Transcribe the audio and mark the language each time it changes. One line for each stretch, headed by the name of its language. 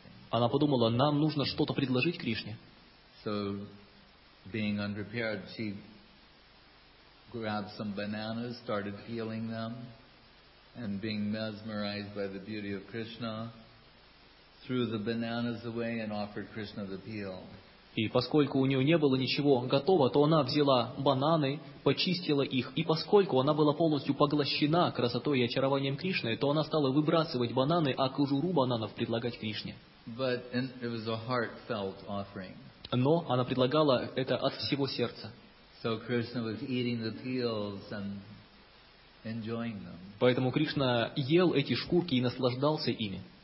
Russian: Она подумала, нам нужно что-то предложить Кришне.
English: So, being unprepared, she grabbed some bananas, started peeling them, and being mesmerized by the beauty of Krishna, threw the bananas away and offered Krishna the peel.
Russian: И поскольку у нее не было ничего готово, то она взяла бананы, почистила их, и поскольку она была полностью поглощена красотой и очарованием Кришны, то она стала выбрасывать бананы, а кожуру бананов предлагать Кришне.
English: But it was a heartfelt offering.
Russian: Но она предлагала это от всего сердца.
English: So Krishna was eating the peels and enjoying them.
Russian: Поэтому Кришна ел эти шкурки и наслаждался ими.